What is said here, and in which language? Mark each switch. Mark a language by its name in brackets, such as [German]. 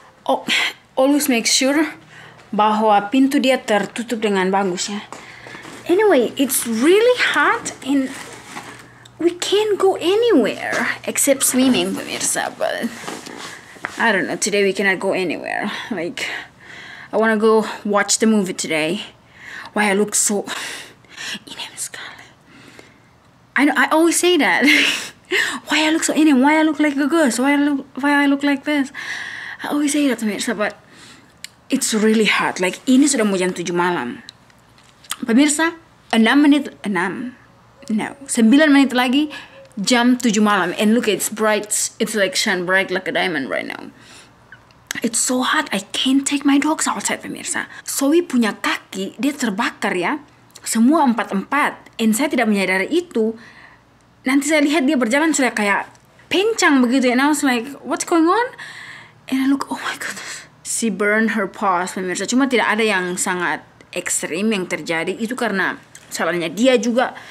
[English] Oh, always make sure [Indonesian] bahwa pintu dia tertutup dengan bagus ya. [English] Anyway, it's really hot and we can't go anywhere except swimming, pemirsa. But I don't know, today we cannot go anywhere. Like, I want to go watch the movie today. Why I look so inem sekali. I know, I always say that. Why I look so inem? Why I look like a ghost? Why I look like this? I always say that to Mirsa, but it's really hot. [Indonesian] Like, ini sudah mau jam 7 malam. Pemirsa, 9 menit lagi, jam 7 malam. [English] And look, it's bright. It's like shine bright like a diamond right now. It's so hot, I can't take my dogs outside, pemirsa. [Indonesian] Zoe punya kaki, dia terbakar ya. Semua empat-empat. And saya tidak menyadari itu. Nanti saya lihat dia berjalan sudah kayak pencang begitu. [English] And I was like, what's going on? And I look, oh my goodness. She burned her paws, pemirsa. [Indonesian] Cuma tidak ada yang sangat ekstrim yang terjadi. Itu karena salahnya dia juga.